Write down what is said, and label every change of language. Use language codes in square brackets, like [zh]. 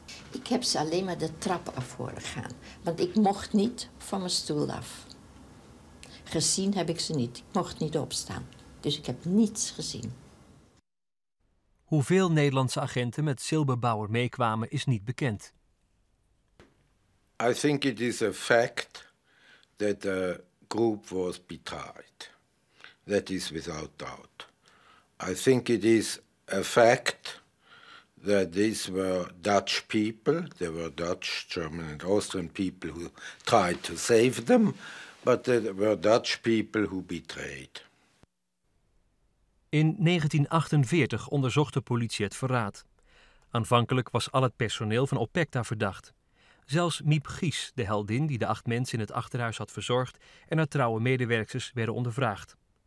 [nl] Ik heb ze alleen maar de trap af horen gaan. Want ik mocht niet van mijn stoel af. Gezien heb ik ze niet. Ik mocht niet opstaan. Dus ik heb niets gezien. Hoeveel Nederlandse agenten met Silberbauer meekwamen is niet bekend. [en] I think it is a fact that the group was betrayed. That is without doubt. I think it is a fact that these were Dutch people. There were Dutch, German and Austrian people who tried to save them. But there were Dutch people who betrayed. [nl] In 1948 onderzocht de politie het verraad. Aanvankelijk was al het personeel van Opecta verdacht. Zelfs Miep Gies, de heldin die de 8 mensen in het achterhuis had verzorgd, en haar trouwe medewerksters werden ondervraagd.